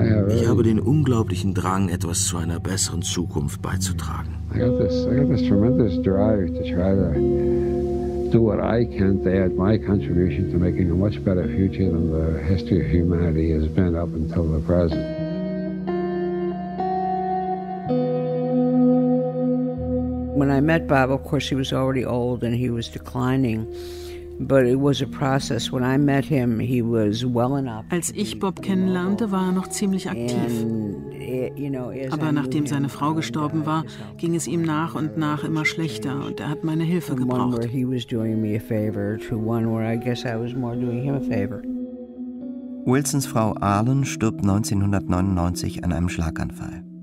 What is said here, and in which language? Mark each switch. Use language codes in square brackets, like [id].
[de] Ich habe den unglaublichen Drang, etwas zu einer besseren Zukunft beizutragen. [en] I got this tremendous drive to try to do what I can to add my contribution to making a much better future than the history of humanity has been up until the present. When I met Bob, of course, he was already old and he was declining, but it was a process. When I met him, he was well enough. [de] Als ich Bob kennenlernte, war er noch ziemlich aktiv. Aber nachdem seine Frau gestorben war, ging es ihm nach und nach immer schlechter und er hat meine Hilfe gebraucht. [en] From one where he was doing me a favor to one where I guess I was more doing him a favor. [de] Wilsons Frau Arlen stirbt 1999 an einem Schlaganfall.